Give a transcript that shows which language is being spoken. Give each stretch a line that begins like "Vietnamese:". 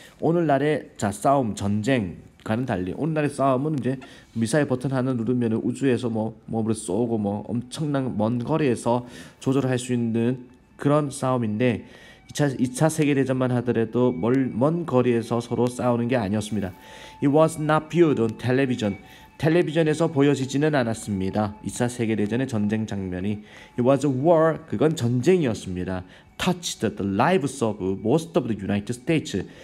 Korean: 오늘날의 자 싸움 전쟁과는 달리 오늘날의 싸움은 이제 미사일 버튼 하나 누르면 우주에서 뭐뭐를 쏘고 뭐 엄청난 먼 거리에서 조절할 수 있는 그런 싸움인데 2차 세계대전만 하더라도 먼 거리에서 서로 싸우는 게 아니었습니다.
English: It was not viewed on television.
Korean: 텔레비전에서 보여지지는 않았습니다. 2차 세계대전의 전쟁 장면이
English: It was a war.
Korean: 그건 전쟁이었습니다.
English: Touched the lives of most of the United States.